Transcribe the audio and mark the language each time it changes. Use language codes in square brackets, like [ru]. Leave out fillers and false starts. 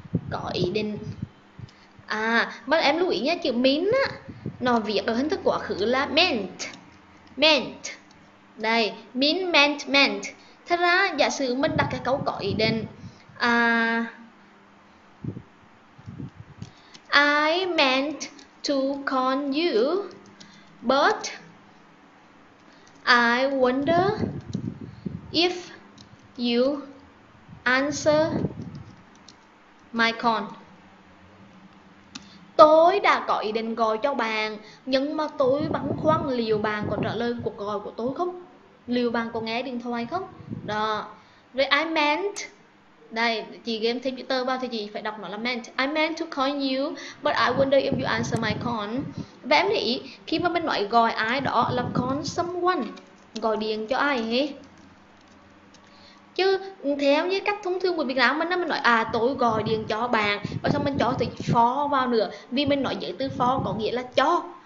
[vi] Có ý định. À, mà em lưu ý nha, chữ mean á, nó viết ở hình thức quá khứ là meant. Meant. Đây, mean, meant. Thật ra, giả sử mình đặt cái câu có ý định. [en] I meant to call you, but I wonder if you answer my call. [vi] Tôi đã có ý định gọi cho bạn, nhưng mà tôi băn khoăn liệu bạn có trả lời cuộc gọi của tôi không? Liệu bạn có nghe điện thoại không? Đó. Rồi [en] I meant. [vi] Đây, chị game thêm chữ tơ vào thì chị phải đọc nó là meant. [en] I meant to call you, but I wonder if you answer my call. [vi] Và em để ý, khi mà mình nói gọi ai đó là call someone, gọi điện cho ai ấy. Chứ theo như cách thông thường của Việt Nam mình nói tôi gọi điện cho bạn, và xong mình cho từ for vào nữa, vì mình nói giới từ for có nghĩa là cho.